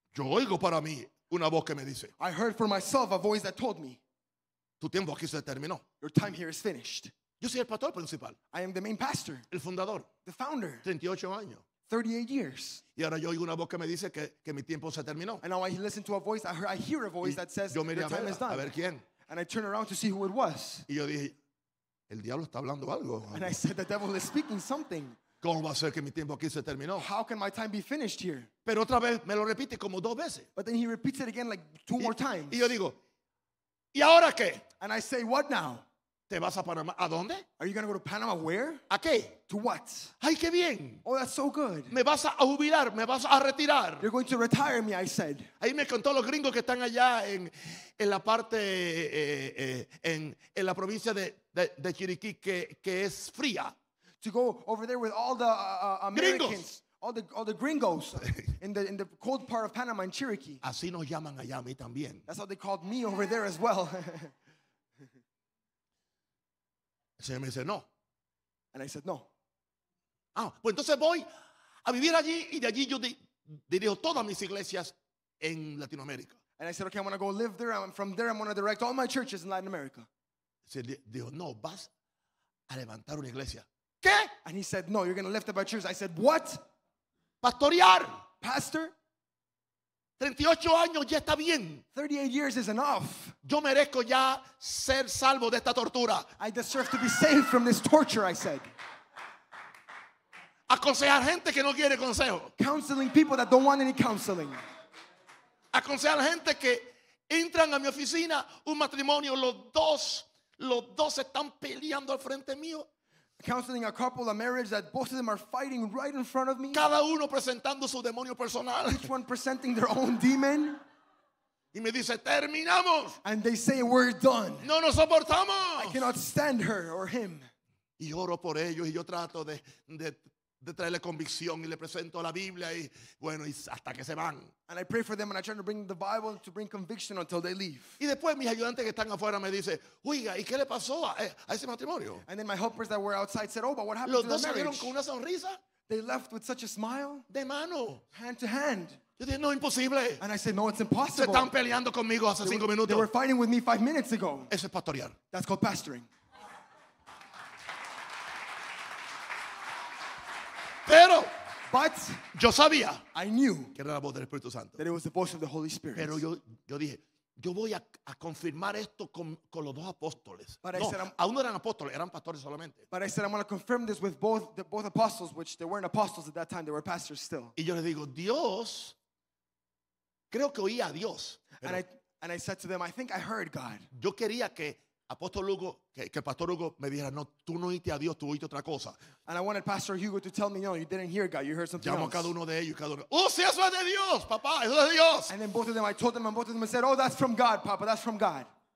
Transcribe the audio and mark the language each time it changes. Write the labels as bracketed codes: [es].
[es] Yo oigo para mí una voz que me dice. [en] I heard for myself a voice that told me. [es] Tu tiempo aquí se terminó. [en] Your time here is finished. [es] Yo soy el pastor principal. [en] I am the main pastor. [es] El fundador. [en] The founder. [es] 38 años. [en] 38 years. [es] Y ahora yo oigo una voz que me dice que mi tiempo se terminó. [en] And now I listen to a voice. I hear a voice [es] y [en] that says your time is done. [es] A ver quién. [en] And I turn around to see who it was. [es] Y yo dije, el diablo está hablando algo. [en] And I said the devil is speaking something. [es] ¿Cómo va a ser que mi tiempo aquí se terminó? [en] How can my time be finished here? [es] Pero otra vez me lo repite como dos veces. [en] But then he repeats it again like two more times. [es] Y yo digo, ¿y ahora qué? [en] And I say, what now? [es] ¿Te vas a Panamá? ¿A dónde? [en] Are you going to go to Panama where? [es] ¿A qué? [en] To what? [es] ¡Ay, qué bien! [en] Oh, that's so good. [es] ¿Me vas a jubilar? ¿Me vas a retirar? [en] You're going to retire me, I said. [es] Ahí me contó los gringos que están allá en la parte, en la provincia de Chiriquí, que es fría. [en] To go over there with all the Americans, all the gringos in the cold part of Panama in Chiriquí. [es] Así nos llaman allá a mí también. [en] That's how they called me over there as well. [es] El Señor me dice no. [en] And I said no. [es] Ah, pues entonces voy a vivir allí y de allí yo dirijo todas mis iglesias en Latinoamérica. [en] And I said okay, I'm going to go live there and from there I'm going to direct all my churches in Latin America. [es] Se dijo, no, vas a levantar una iglesia. ¿Qué? [en] And he said, no, you're going to lift up our church. I said, what? [es] Pastorear. [en] Pastor? [es] 38 años ya está bien. [en] 38 years is enough. [es] Yo merezco ya ser salvo de esta tortura. [en] I deserve to be saved from this torture, I said. [es] Aconsejar gente que no quiere consejo. [en] Counseling people that don't want any counseling. [es] Aconsejar gente que entran a mi oficina, un matrimonio, los dos están peleando al frente mío. [en] Counseling a couple, a marriage that both of them are fighting right in front of me. [es] Cada uno presentando su demonio personal. [en] Each one presenting their own demon. [es] Y me dice, terminamos. [en] And they say, we're done. [es] No nos soportamos. [en] I cannot stand her or him. [es] Y oro por ellos y yo trato de traerle convicción y le presento la Biblia y bueno, y hasta que se van. [en] And I pray for them and I try to bring the Bible to bring conviction until they leave. [es] Y después mis ayudantes que están afuera me dice, "Oiga, ¿y qué le pasó a ese matrimonio?" [en] And then my helpers that were outside said, "Oh, but what happened [es] los [en] to the marriage?" [es] Los dos salieron con una sonrisa. [en] They left with such a smile. [es] De mano. [en] Hand to hand. [es] Yo dije, "No, imposible." [en] And I said, "No, it's impossible." [es] Se están peleando conmigo hace 5 minutos. [en] They were fighting with me 5 minutes ago. [es] Eso es pastorear. [en] That's called pastoring. [es] Pero, [en] but [es] yo sabía, [en] I knew [es] que era la voz del Espíritu Santo. [en] That it was the voice of the Holy Spirit. [es] Pero yo dije, yo voy a confirmar esto con los dos apóstoles. [en] But [es] no, [en] I said, [es] aún no eran apóstoles, eran pastores solamente. [en] But I said, I'm going to confirm this with both apostles, which they weren't apostles at that time, they were pastors still. [es] Y yo les digo, Dios, creo que oía a Dios. [en] And I said to them, I think I heard God. [es] Yo quería que Apóstol Hugo, que Pastor Hugo me dijera, no, tú no oíste a Dios, tú oíste otra cosa. [en] And I wanted Pastor Hugo to tell me, no, you didn't hear God, you heard something [es] llamo [en] else. [es] Llamo a cada uno de ellos, cada uno. ¡Oh, sí, eso es de Dios, papá, eso es de Dios! [en] And then both of them, I told them, and both of them said, oh, that's from God, papa, that's from God.